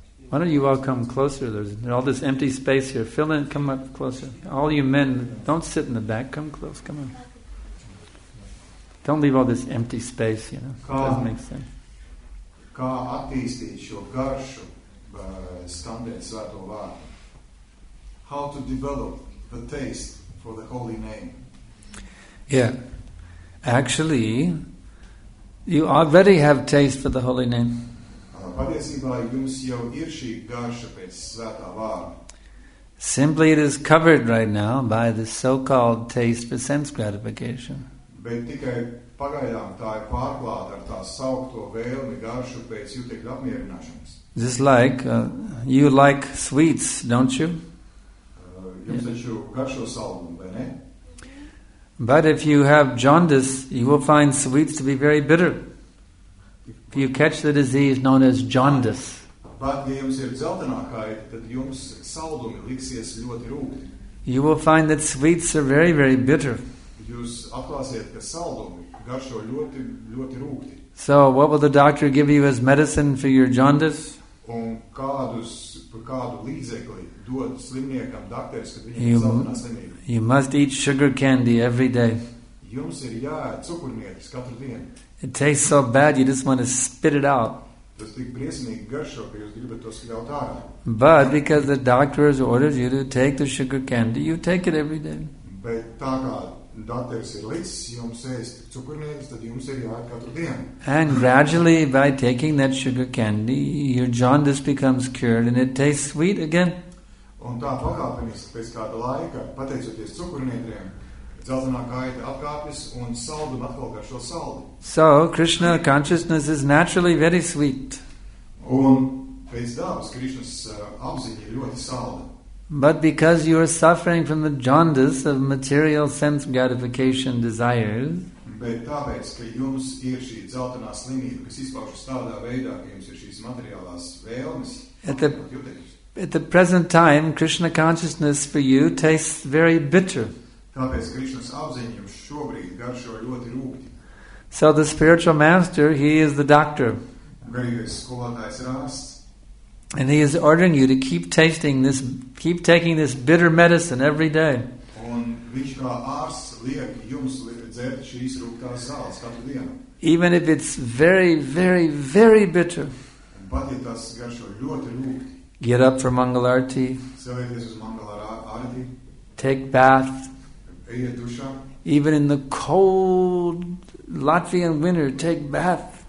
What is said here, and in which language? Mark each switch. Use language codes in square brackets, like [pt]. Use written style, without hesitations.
[en] Why don't you all come closer? There's all this empty space here. Fill in, come up closer. All you men, don't sit in the back. Come close, come on. Don't leave all this empty space, you know. [lv] Kā, [en] it doesn't make sense. [lv] Kā attīstīt šo garšu, skandēt svēto vārdu? [en] How to develop the taste for the holy name? Yeah. Actually, you already have taste for the holy name. [lv] Patiesībā jums jau ir šī garša pēc svētā vārda. [en] Simply it is covered right now by the so-called taste for sense gratification. [lv] Bet tikai pagaidām tā ir pārklāta ar tā saukto vēlmi garšu pēc jūtekļu apmierināšanas. [en] Just like, you like sweets, don't you? [lv] Jums taču garšo saldumu, vai ne? [en] But if you have jaundice, you will find sweets to be very bitter. If you catch the disease known as jaundice. [lv] Bet, ja jums ir dzeltenā kaita, tad jums saldumi liksies ļoti rūgti. [en] You will find that sweets are very, very bitter. [lv] Jūs atklāsiet, ka saldumi garšo ļoti, ļoti rūgti. [en] So, what will the doctor give you as medicine for your jaundice? [lv] Un kādu līdzekli dod slimniekam dakteris, kad viņam dzeltenā slimība? [en] You must eat sugar candy every day. [lv] Jums ir jāēd cukurnietis katru dienu. [en] It tastes so bad, you just want to spit it out. [lv] Tas tik briesmīgi garšo, ka jūs gribat to skļaut ārā. [en] But because the doctor has ordered you to take the sugar candy, you take it every day. [lv] Bet tā kā doktors ir licis jums ēst cukurnietis, tad jums ir jāēd katru dienu. [en] And gradually, by taking that sugar candy, your jaundice becomes cured and it tastes sweet again. [lv] Un tā pakāpenis pēc kāda laika, pateicoties cukurnietriem, dzeltenā gaita apkāpjas un saldumu atkal garšo saldi. [en] So, Krishna consciousness is naturally very sweet. [lv] Un pēc dabas Krishnas apziņa ir ļoti salda. [en] But because you are suffering from the jaundice of material sense gratification desires, [lv] bet tāpēc, ka jums ir šī dzeltenā slimība, kas izpaušas tādā veidā, ka jums ir šīs materiālās vēlmes, [en] at the present time, Krishna consciousness for you tastes very bitter. [lv] Tāpēc Krišnas apziņa jums šobrīd garšo ļoti rūgti. [en] So the spiritual master, he is the doctor. [lv] Garīgais skolotājs ir ārsts. [en] And he is ordering you to keep tasting this, keep taking this bitter medicine every day. [lv] Un viņš kā ārsts liek jums dzert šīs rūgtās zāles katru dienu. [en] Even if it's very, very, very bitter. [lv] Un pat, ja tas garšo ļoti rūgti. [en] Get up for Mangalārti. [lv] Celieties uz Mangalārti. [en] Take bath. Even in the cold Latvian winter, take bath.